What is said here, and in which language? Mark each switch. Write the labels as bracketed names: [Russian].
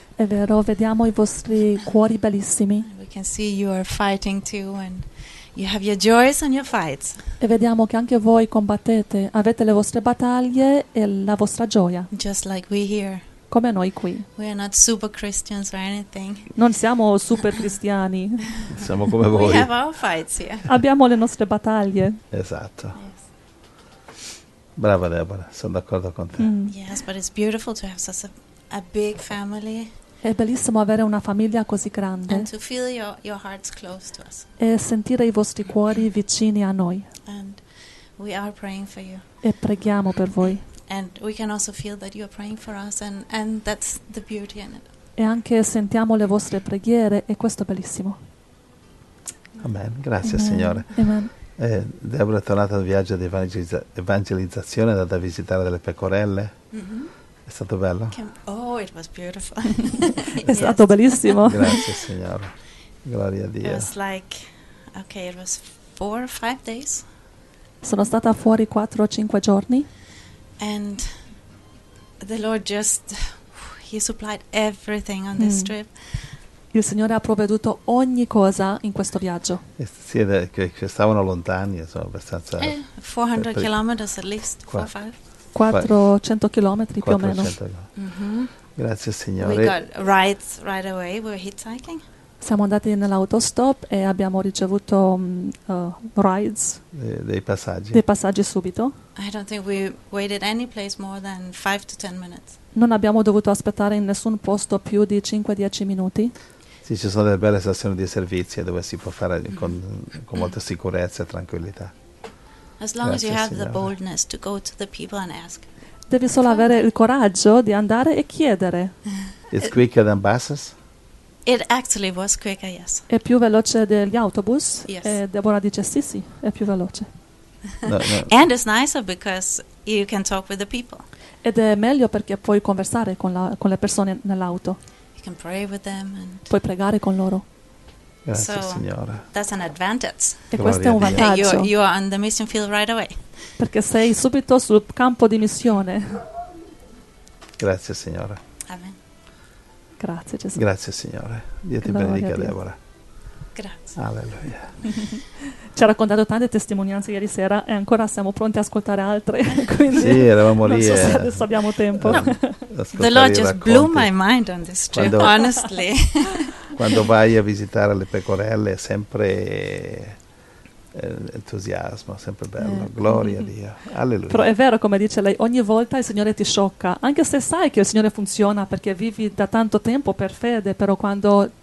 [Italian] È vero, vediamo i vostri cuori bellissimi. [English] We can see you are fighting too, and you have your joys and your fights. [Italian] E vediamo che anche voi combattete, avete le vostre battaglie e la vostra gioia. [English] Just like we here. [Italian] Come noi qui. [English] We are not super Christians or anything. [Italian] Non siamo super cristiani. Siamo come voi. [English] We have our fights here. [Italian] Abbiamo le nostre battaglie. Esatto. Brava Deborah, sono d'accordo con te. [English] Yes, but it's beautiful to have such a big family. [Italian] È bellissimo avere una famiglia così grande. [English] And to feel your hearts close to us. [Italian] E sentire i vostri cuori vicini a noi. [English] And we are praying for you. [Italian] E preghiamo per voi. [English] And we can also feel that you are praying for us, and that's the beauty in it. [Italian] E anche sentiamo le vostre preghiere, e questo è bellissimo. Amen. Grazie, Amen. Signore. Amen. Deborah è tornata dal viaggio di evangelizzazione, è andata a visitare delle pecorelle. Mm-hmm. È stato bello? [English] It was beautiful. [Italian] È stato bellissimo. Grazie Signore. Gloria a Dio. [English] It was like, okay, it was 4 or 5 days. [Italian] Sono stata fuori 4 o 5 giorni. [English] And the Lord just, he supplied everything on this trip. [Italian] Il Signore ha provveduto ogni cosa in questo viaggio. Sì, che stavano lontani, insomma, abbastanza... [English] 400 km at least, [Italian] 400 km più o meno. Grazie Signore. [English] We got rides right away, we were hitchhiking. [Italian] Siamo andati nell'autostop e abbiamo ricevuto rides. Dei passaggi. Dei passaggi subito. [English] I don't think we waited any place more than 5 to 10 minutes. [Italian] Non abbiamo dovuto aspettare in nessun posto più di 5-10 minuti. Sì, ci sono delle belle stazioni di servizio dove si può fare con molta sicurezza e tranquillità. [English] As long [Italian] Grazie [English] as you have [Italian] Signore. [English] The boldness to go to the people and ask. [Italian] Devi solo avere il coraggio di andare e chiedere. [English] It's quicker than buses? It actually was quicker, yes. [Italian] È più veloce degli autobus? [English] Yes. [Italian] E Deborah dice sì, sì, è più veloce. No. [English] And it's nicer because you can talk with the people. [Italian] Ed è meglio perché puoi conversare con le persone nell'auto. [English] Can pray with them and [Italian] puoi pregare con loro. Grazie Signore. [English] That's an advantage. [Italian] E questo è un vantaggio. [English] You are on the mission field right away. [Italian] Perché sei subito sul campo di missione. Grazie Signore. Amen. Grazie Gesù. Grazie Signore. Dio ti benedica Deborah. Grazie. Alleluia. Ci ha raccontato tante testimonianze ieri sera e ancora siamo pronti ad ascoltare altre. Sì, eravamo lì. Non so se adesso abbiamo tempo. No. [English] The Lord just blew my mind on this trip, quando, honestly. [Italian] Quando vai a visitare le pecorelle è sempre entusiasmo, sempre bello. Gloria a Dio. Alleluia. Però è vero, come dice lei, ogni volta il Signore ti sciocca. Anche se sai che il Signore funziona perché vivi da tanto tempo per fede, però quando...